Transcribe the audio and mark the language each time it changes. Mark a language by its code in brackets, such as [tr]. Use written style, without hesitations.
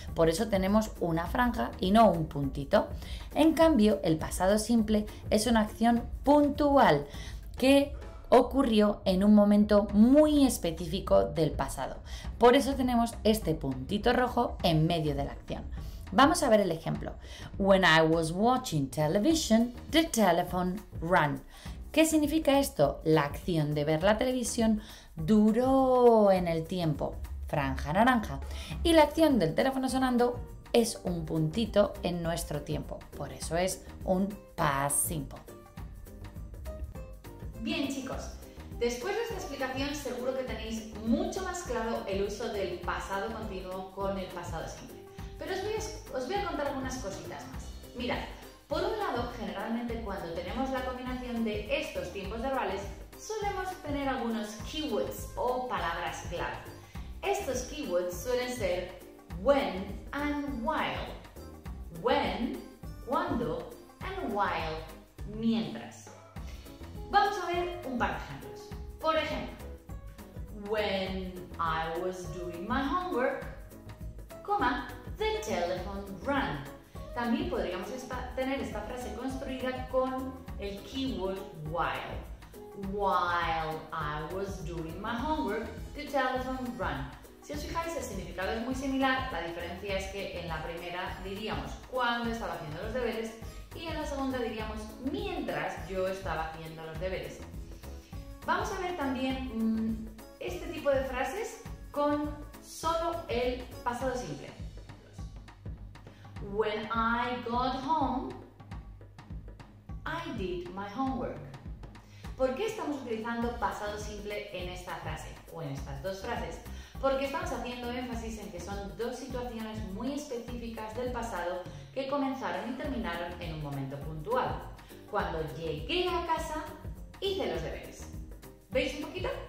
[es] Por eso tenemos una franja y no un puntito. En cambio, el pasado simple es una acción puntual que ocurrió en un momento muy específico del pasado. Por eso tenemos este puntito rojo en medio de la acción. Vamos a ver el ejemplo. [en] When I was watching television, the telephone rang. [es] ¿Qué significa esto? La acción de ver la televisión duró en el tiempo, franja naranja. Y la acción del teléfono sonando es un puntito en nuestro tiempo. Por eso es un past simple. Bien, chicos, después de esta explicación seguro que tenéis mucho más claro el uso del pasado continuo con el pasado simple. Pero os voy a contar algunas cositas más. Mirad. Por un lado, generalmente cuando tenemos la combinación de estos tiempos verbales, solemos tener algunos keywords o palabras clave. Estos keywords suelen ser when and while. [en] When, cuando, and while, mientras. [es] Vamos a ver un par de ejemplos. Por ejemplo, [en] when I was doing my homework, comma, the telephone rang. [es] También podríamos tener esta frase construida con el keyword while. [en] While I was doing my homework, the telephone rang. [es] Si os fijáis, el significado es muy similar. La diferencia es que en la primera diríamos cuando estaba haciendo los deberes y en la segunda diríamos mientras yo estaba haciendo los deberes. Vamos a ver también este tipo de frases con solo el pasado simple. [en] When I got home, I did my homework. [es] ¿Por qué estamos utilizando pasado simple en esta frase o en estas dos frases? Porque estamos haciendo énfasis en que son dos situaciones muy específicas del pasado que comenzaron y terminaron en un momento puntual. Cuando llegué a casa, hice los deberes. ¿Veis un poquito?